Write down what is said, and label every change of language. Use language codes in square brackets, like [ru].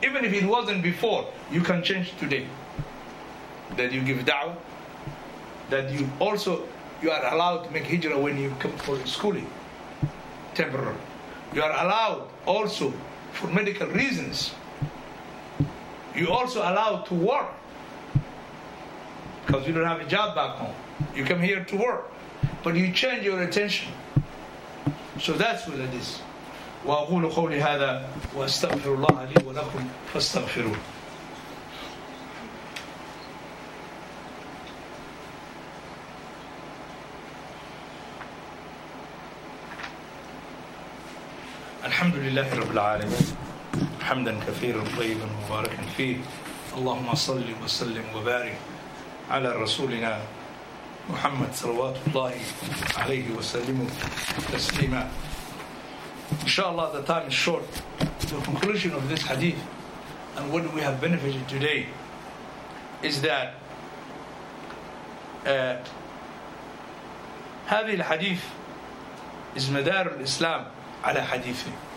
[en] Even if it wasn't before, you can change today. That you give da'wah, that you also, you are allowed to make hijrah when you come for schooling, temporarily. You are allowed also for medical reasons. You also allowed to work. because you don't have a job back home. You come here to work, but you change your attention. So that's what it is. [ar] وأقول قولي هذا وأستغفر الله لي ولكم فاستغفروه. الحمد لله رب العالمين حمدا كثيرا طيبا مباركا فيه اللهم صل وسلم وبارك على رسولنا محمد صلوات الله عليه وسلم تسليما. [en] Inshallah, the time is short. The conclusion of this hadith and what we have benefited today is that [ar] هذه الحديث [en] is [ar] مدار الإسلام على حديثه.